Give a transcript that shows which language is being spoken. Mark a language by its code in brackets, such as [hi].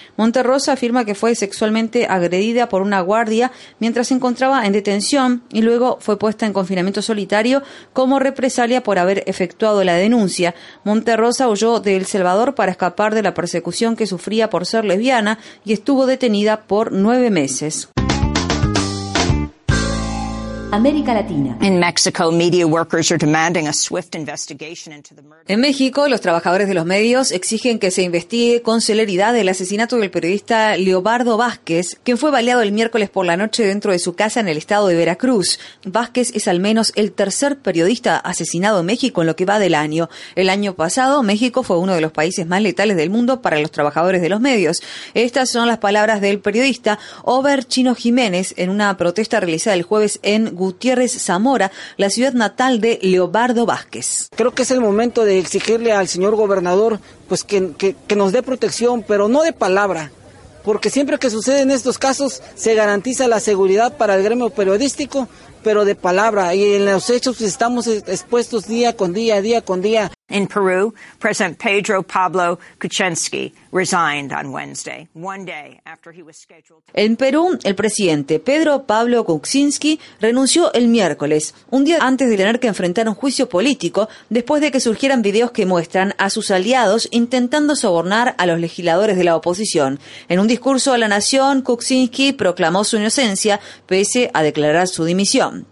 [es] Monterrosa afirma que fue sexualmente agredida por una guardia mientras se encontraba en detención y luego fue puesta en confinamiento solitario como represalia por haber efectuado la denuncia. Monterrosa huyó de El Salvador para escapar de la persecución que sufría por ser lesbiana y estuvo detenida por 9 meses. América Latina. [en] In Mexico, media workers are demanding a swift investigation into the murder. [es] En México, los trabajadores de los medios exigen que se investigue con celeridad el asesinato del periodista Leobardo Vázquez, quien fue baleado el miércoles por la noche dentro de su casa en el estado de Veracruz. Vázquez es al menos el tercer periodista asesinado en México en lo que va del año. El año pasado, México fue uno de los países más letales del mundo para los trabajadores de los medios. Estas son las palabras del periodista Over Chino Jiménez en una protesta realizada el jueves en Gutiérrez Zamora, la ciudad natal de Leobardo Vázquez. Creo que es el momento de exigirle al señor gobernador pues que nos dé protección, pero no de palabra. Porque siempre que suceden estos casos, se garantiza la seguridad para el gremio periodístico, pero de palabra, y en los hechos estamos expuestos día con día, día con día. [en] In Peru, President Pedro Pablo Kuczynski resigned on Wednesday, one day after he was scheduled. [es] En Perú, el presidente Pedro Pablo Kuczynski renunció el miércoles, un día antes de tener que enfrentar un juicio político, después de que surgieran videos que muestran a sus aliados intentando sobornar a los legisladores de la oposición. En un discurso a la nación, Kuczynski proclamó su inocencia, pese a declarar su dimisión.